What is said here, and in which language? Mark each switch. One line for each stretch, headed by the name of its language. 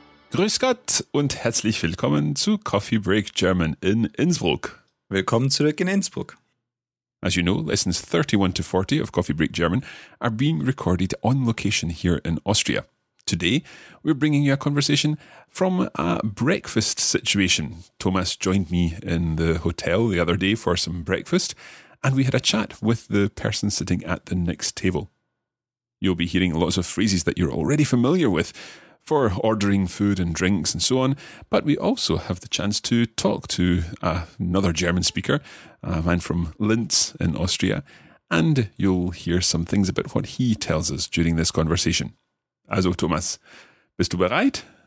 German: Grüß Gott und herzlich willkommen zu Coffee Break German in Innsbruck. Willkommen zurück in Innsbruck.
English: As you know, lessons 31 to 40 of Coffee Break German are being recorded on location here in Austria. Today, we're bringing you a conversation from a breakfast situation. Thomas joined me in the hotel the other day for some breakfast, and we had a chat with the person sitting at the next table. You'll be hearing lots of phrases that you're already familiar with for ordering food and drinks and so on, but we also have the chance to talk to another German speaker, a man from Linz in Austria, and you'll hear some things about what he tells us during this conversation.
German: Also, Thomas, bist du bereit?